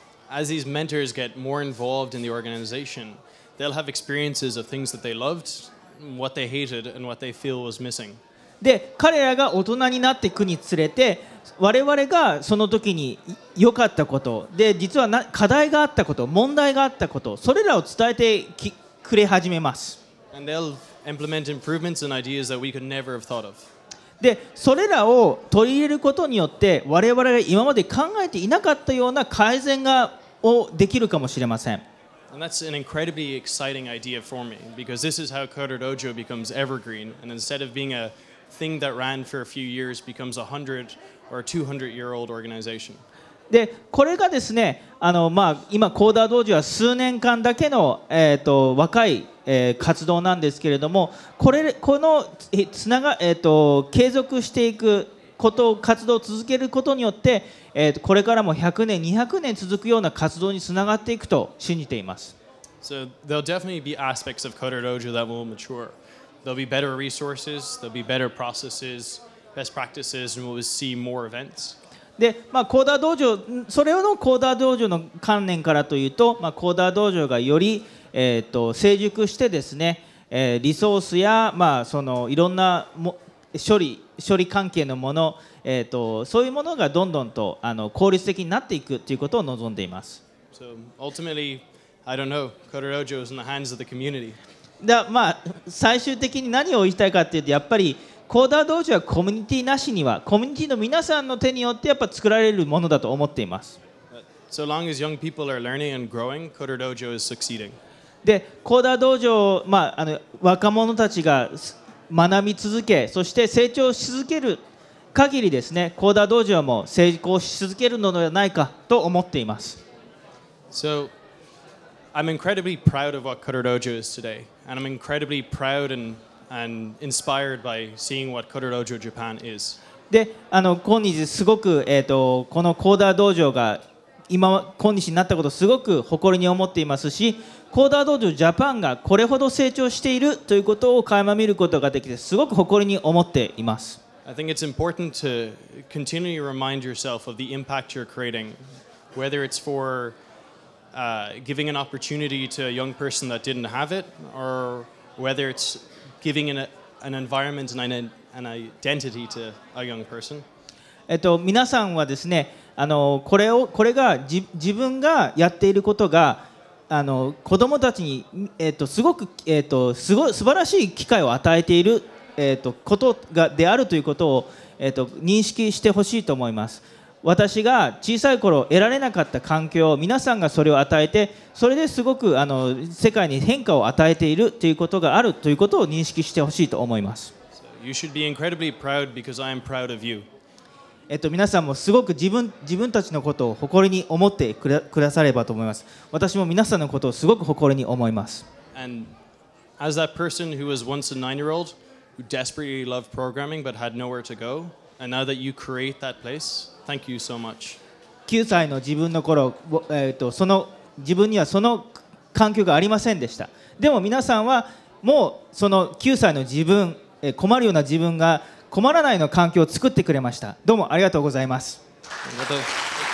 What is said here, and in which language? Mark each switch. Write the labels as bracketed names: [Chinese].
[English] As these mentors get more involved in the organization,They'll have experiences of things that they loved, what they hated, and what they feel was missing. [Japanese] で、彼らが大人になっていくにつれて、我々がその時に良かったこと、で、実は課題があったこと、問題があったこと、それらを伝えてくれ始めます。 [English] And they'll implement improvements and ideas that we could never have thought of. [Japanese] で、それらを取り入れることによって、我々が今まで考えていなかったような改善をできるかもしれません。 [English] And that's an incredibly exciting idea for me because this is how CoderDojo becomes evergreen. And instead of being a thing that ran for a few years, becomes a 100 or 200 year old organization. [Japanese] で、これがですね、今 CoderDojo は数年間だけの、若い、活動なんですけれども、これこのつなが、継続していくことを活動を続けることによって、これからも100年、200年続くような活動につながっていくと信じています。 [English] So there'll definitely be aspects of CoderDojo that will mature. There'll be better resources, there'll be better processes, best practices, and we'll see more events. [Japanese] でまあ、コーダー道場それのコーダー道場の観念からというと、まあ、コーダー道場がより、成熟してですね、リソースや、まあ、そのいろんなも処理関係のもの、そういうものがどんどんとあの効率的になっていくということを望んでいます。 [English] So ultimately, I don't know, Coder Dojo is in the hands of the community. [Japanese] だ、まあ、最終的に何を言いたいかというとやっぱりコーダー道場はコミュニティなしにはコミュニティの皆さんの手によってやっぱ作られるものだと思っています。 [English] So long as young people are learning and growing, Coder Dojo is succeeding. [Japanese] で、コーダー道場、まあ、あの若者たちが学び続けそして成長し続ける限りですね、コーダー道場も成功し続けるのではないかと思っています。 [English] So I'm incredibly proud of what Coder Dojo is today, and I'm incredibly proud andand inspired by seeing what Coder Dojo Japan is. [Japanese] で、あの、今日すごく、このコーダー道場が今、今日になったことをすごく誇りに思っていますし、コーダー道場ジャパンがこれほど成長しているということを垣間見ることができて、すごく誇りに思っています。 [English] I think it's important to continually remind yourself of the impact you're creating, whether it's for, giving an opportunity to a young person that didn't have it, or whether it'sgiving an environment and an identity to a young person. [Japanese] 皆さんはですね、あの、これを、これが自分がやっていることが、あの、子供たちに、すごく、すごい、素晴らしい機会を与えている、ことがであるということを、認識してほしいと思います。私が小さい頃得られなかった環境を皆さんがそれを与えてそれですごくあの世界に変化を与えているということがあるということを認識してほしいと思います。 [English] So you should be incredibly proud because I am proud of you. [Japanese] 皆さんもすごく自分たちのことを誇りに思ってくださればと思います。私も皆さんのことをすごく誇りに思います。 [English] And as that person who was once a nine-year-old who desperately loved programming but had nowhere to go, and now that you create that placeThank you so much. [Japanese] 9歳の自分の頃、その自分にはその環境がありませんでした。でも皆さんはもうその9歳の自分、困るような自分が困らないの環境を作ってくれました。どうもありがとうございます。ありがとうございます。